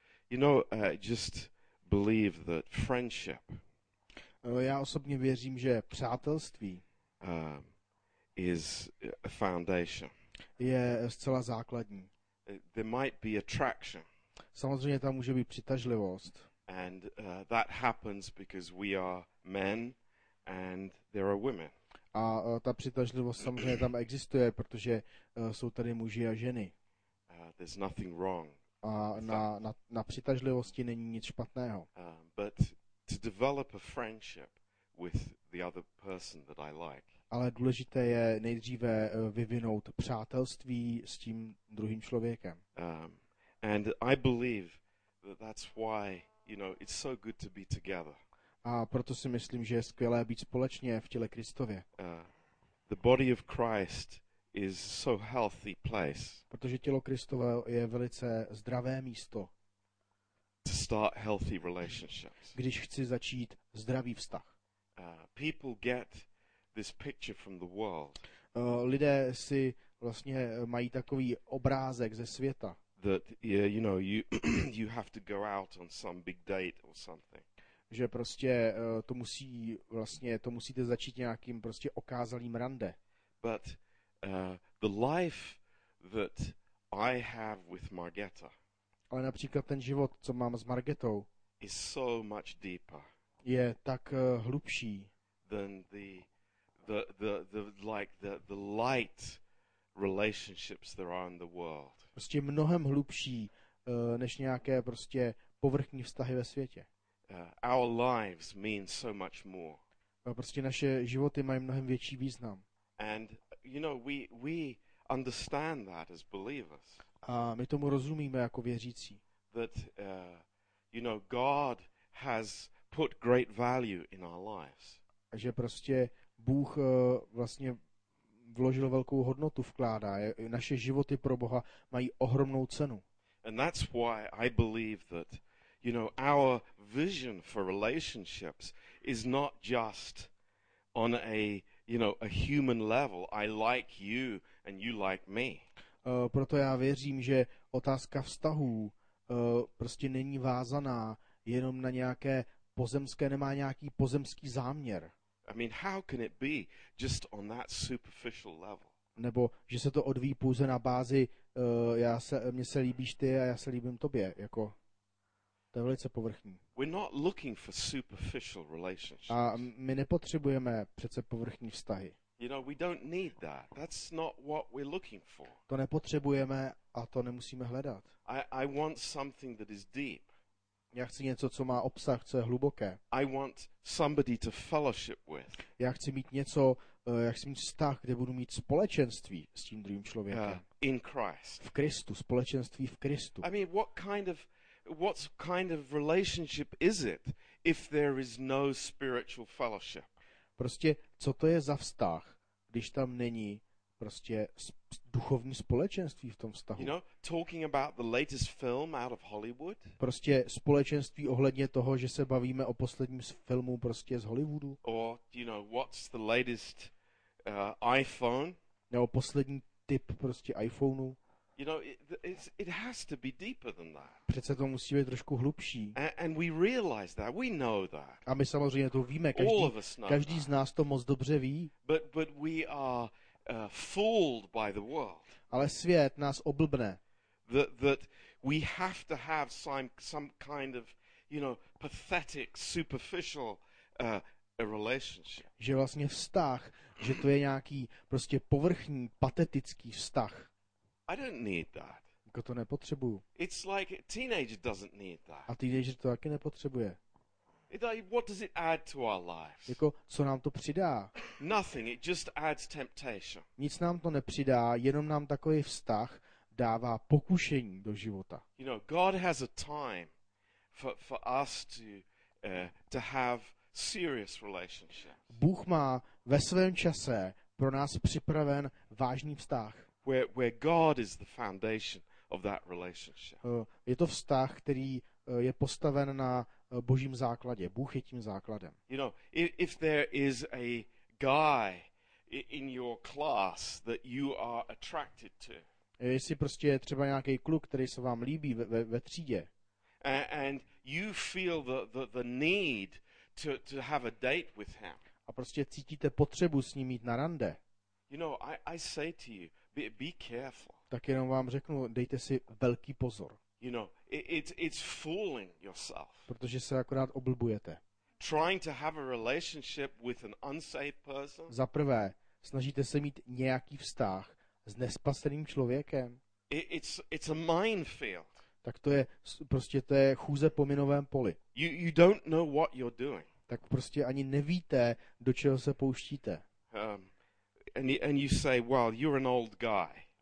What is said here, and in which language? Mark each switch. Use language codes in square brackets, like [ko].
[en] You know, just believe that friendship. [cs] Já osobně věřím, že přátelství [en] is a foundation. [cs] Je zcela základní. [en] There might be attraction. [cs] Samozřejmě tam může být přitažlivost. [en] And that happens because we are men and there are women. [cs] A ta přitažlivost samozřejmě tam existuje, protože jsou tady muži a ženy. [en] There's nothing wrong. [cs] A na přitažlivosti není nic špatného. [en] But to develop a friendship with the other person that I like. [cs] Ale důležité je nejdříve vyvinout přátelství s tím druhým člověkem. [en] And I believe that that's why, you know, it's so good to be together. [cs] A proto si myslím, že je skvělé být společně v těle Kristově. [en] The body of Christ is so healthy place. [cs] Protože tělo Kristovo je velice zdravé místo. [en] To start healthy relationships. [cs] Když chci začít zdravý vztah. [en] People get this picture from the world. [cs] Lidé si vlastně mají takový obrázek ze světa. [en] That yeah, you know, you have to go out on some big date or something. [cs] Že prostě to musí vlastně to musíte začít nějakým prostě okázalým rande. [en] But the life that I have with Margeta. [cs] Ale například ten život, co mám s Margetou, [en] is so much deeper. [cs] Je tak hlubší. [en] Than the light relationships there are in the world. [cs] Prostě mnohem hlubší než nějaké prostě povrchní vztahy ve světě. [en] Our lives mean so much more. [cs] Prostě naše životy mají mnohem větší význam. [en] And you know, we understand that as believers. [cs] A my tomu rozumíme jako věřící. [en] That you know, God has put great value in our lives. [cs] Že prostě Bůh vlastně vložil velkou hodnotu, vkládá. Naše životy pro Boha mají ohromnou cenu. [en] And that's why I believe that, you know, our vision for relationships is not just on a, you know, a human level. I like you and you like me. [cs] Proto já věřím, že otázka vztahů prostě není vázaná jenom na nějaké pozemské, nemá nějaký pozemský záměr. [en] I mean, how can it be just on that superficial level? [cs] Nebo že se to odvíjí pouze na bázi, mně se líbíš ty a já se líbím tobě, jako. To je velice povrchní. [en] We're not looking for superficial relationships. [cs] A my nepotřebujeme přece povrchní vztahy. [en] You know, we don't need that. That's not what we're looking for. [cs] To nepotřebujeme a to nemusíme hledat. [en] I want something that is deep. [cs] Já chci něco, co má obsah, co je hluboké. [en] I want somebody to fellowship with. [cs] Já chci mít něco, já chci mít vztah, kde budu mít společenství s tím druhým člověkem. [en] In Christ. [cs] V Kristu, společenství v Kristu. [en] I mean, what kind of relationship is it if there is no spiritual fellowship? [cs] Prostě, co to je za vztah, když tam není prostě duchovní společenství v tom vztahu? [en] You know, talking about the latest film out of Hollywood? [cs] Prostě společenství ohledně toho, že se bavíme o posledním filmu prostě z Hollywoodu? [en] Or, you know, what's the latest iPhone? [cs] Nebo poslední typ prostě iPhoneu? [en] You know, it has to be deeper than that. [cs] Přece to musí být trošku hlubší. [en] And we realize that, we know that. [cs] A my samozřejmě to víme, každý z nás to moc dobře ví. [en] But we are fooled by the world. [cs] Ale svět nás oblbne. [en] That we have to have some kind of, you know, pathetic, superficial relationship. [cs] Že vlastně vztah, že to je nějaký prostě povrchní, patetický vztah. [en] I don't need that. [cs] Jako to nepotřebuju. [en] It's like a teenager doesn't need that. [cs] A teenager to taky nepotřebuje. [en] What does it add to our lives? [cs] Jako co nám to přidá? [en] Nothing, it just adds temptation. [cs] Nic nám to nepřidá, jenom nám takový vztah dává pokušení do života. [en] You know, God has a time for us to have serious relationships. [cs] Bůh má ve svém čase pro nás připraven vážný vztah. [en] Where God is the foundation of that relationship. [cs] Je to vztah, který je postaven na Božím základě. Bůh je tím základem. [en] You know, if there is a guy in your class that you are attracted to. [cs] Jestli prostě je třeba nějaký kluk, který se vám líbí ve třídě. [en] And you feel the need to have a date with him. [cs] A prostě cítíte potřebu s ním mít na rande. [en] You know, I say to you, be careful. [cs] Tak jenom vám řeknu, dejte si velký pozor. [en] You know, it's fooling yourself. [cs] Protože se akorát oblbujete. [en] Trying to have a relationship with an unsaved person. [cs] Za prvé, snažíte se mít nějaký vztah s nespaseným člověkem. [en] It's a minefield. [cs] Tak to je prostě to je chůze po minovém poli. [en] You don't know what you're doing. [cs] Tak prostě ani nevíte, do čeho se pouštíte. [en] And you say, well, you're an old guy.